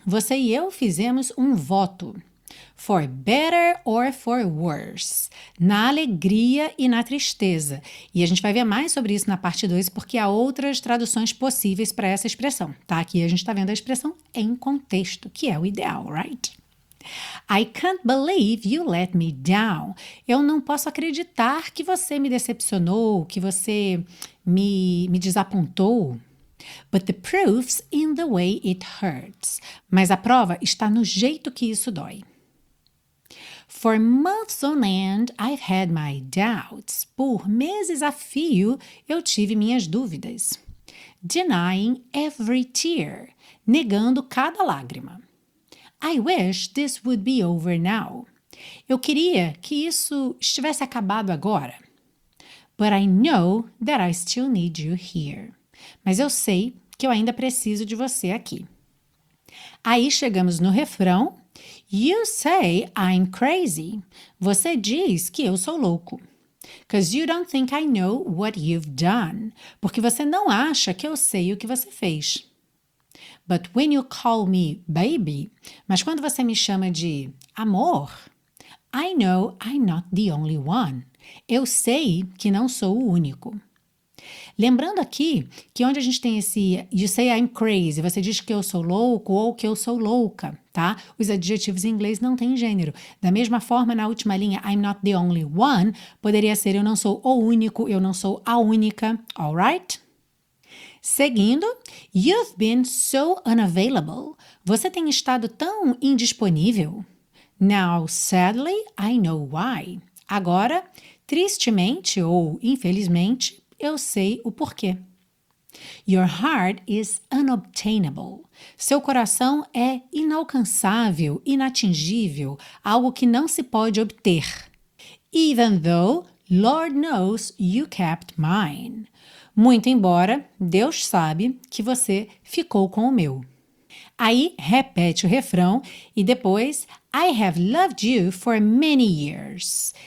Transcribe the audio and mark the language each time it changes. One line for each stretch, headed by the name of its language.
Portuguese: Você e eu fizemos um voto.
English: For better or for worse.
Portuguese: Na alegria e na tristeza. E a gente vai ver mais sobre isso na parte 2, porque há outras traduções possíveis para essa expressão, tá? Aqui a gente está vendo a expressão em contexto, que é o ideal, right?
English: I can't believe you let me down.
Portuguese: Eu não posso acreditar que você me decepcionou, que você me desapontou.
English: But the proof's in the way it hurts.
Portuguese: Mas a prova está no jeito que isso dói.
English: For months on end, I've had my doubts.
Portuguese: Por meses a fio, eu tive minhas dúvidas.
English: Denying every tear.
Portuguese: Negando cada lágrima.
English: I wish this would be over now.
Portuguese: Eu queria que isso estivesse acabado agora.
English: But I know that I still need you here.
Portuguese: Mas eu sei que eu ainda preciso de você aqui. Aí chegamos no refrão.
English: You say I'm crazy.
Portuguese: Você diz que eu sou louco.
English: Because you don't think I know what you've done.
Portuguese: Porque você não acha que eu sei o que você fez.
English: But when you call me baby,
Portuguese: mas quando você me chama de amor,
English: I know I'm not the only one.
Portuguese: Eu sei que não sou o único. Lembrando aqui que onde a gente tem esse
English: you say I'm crazy,
Portuguese: você diz que eu sou louco ou que eu sou louca, tá? Os adjetivos em inglês não têm gênero. Da mesma forma, na última linha,
English: I'm not the only one,
Portuguese: poderia ser eu não sou o único, eu não sou a única, alright? Seguindo,
English: you've been so unavailable.
Portuguese: Você tem estado tão indisponível.
English: Now, sadly, I know why.
Portuguese: Agora, tristemente ou infelizmente, eu sei o porquê.
English: Your heart is unobtainable.
Portuguese: Seu coração é inalcançável, inatingível, algo que não se pode obter.
English: Even though Lord knows you kept mine.
Portuguese: Muito embora, Deus sabe que você ficou com o meu. Aí, repete o refrão e depois,
English: I have loved you for many years.